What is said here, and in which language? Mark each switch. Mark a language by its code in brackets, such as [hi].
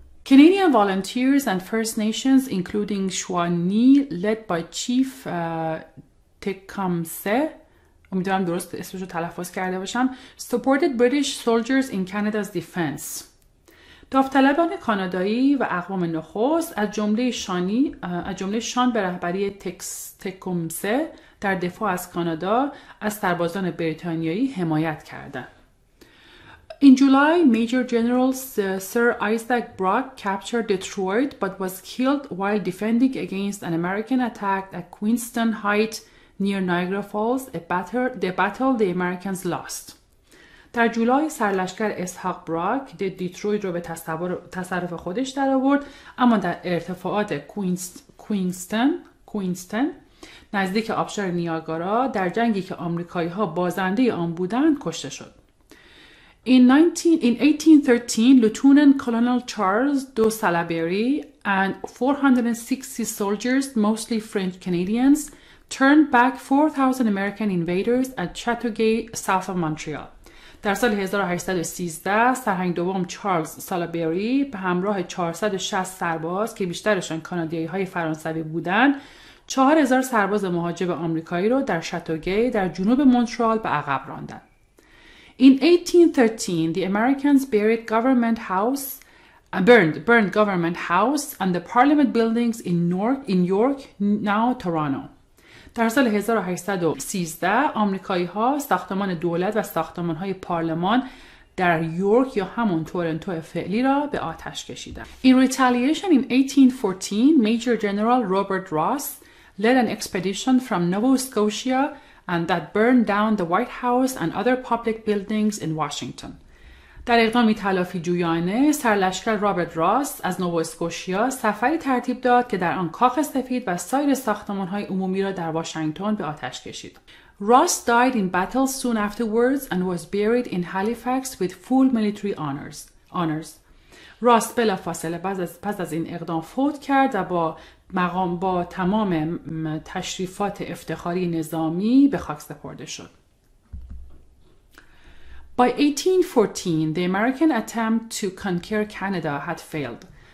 [en] Canadian volunteers and First Nations including Shawnee led by Chief Tecumseh, [fa] امیدوارم درست اسمش رو تلفظ کرده باشم، [en] supported British soldiers in Canada's defense. [fa] داوطلبان کانادایی و اقوام نخست از جمله شان به رهبری تکومسه در دفاع از کانادا از سربازان بریتانیایی حمایت کردند. [en] In July, Major General Sir Isaac Brock captured Detroit but was killed while defending against an American attack at Queenston Heights near Niagara Falls, the battle the Americans lost. [fa] در جولای سرلشکر اسحاق براک دیترویت رو به تصرف خودش در آورد، اما در ارتفاعات کوینستن نزدیک آبشار نیاگارا در جنگی که آمریکایی‌ها بازنده آن بودند کشته شد. [en] In 1813, Lieutenant Colonel Charles de Salaberry and 460 soldiers, mostly French Canadians, turned back 4000 American invaders at Chateauguay, south of Montreal. [fa] در سال 1813 سرهنگ دوم چارلز سالابری به همراه 460 سرباز که بیشترشان کانادایی‌های فرانسوی بودند، 4000 سرباز مهاجم آمریکایی را در شاتوگی در جنوب مونترال به عقب راندند. [en] In 1813, the Americans burned government house and the parliament buildings in York, now Toronto. [fa] در سال 1813 آمریکایی‌ها ساختمان دولت و ساختمان‌های پارلمان در یورک یا همون تورنتو فعلی را به آتش کشیدند. [en] In retaliation in 1814, Major General Robert Ross led an expedition from Nova Scotia and that burned down the White House and other public buildings in Washington. [fa] در اقدامی تلافی جویانه، سرلشکر رابرت راس از نوا اسکوشیا سفری ترتیب داد که در آن کاخ سفید و سایر ساختمان‌های عمومی را در واشنگتن به آتش کشید. [en] Ross died in battle soon afterwards and was buried in Halifax with full military honors. [fa] راس بلافاصله پس از این اقدام فوت کرد و با تمام تشریفات افتخاری نظامی به خاک سپرده شد. [en] By 1814, the American attempt to conquer Canada had failed.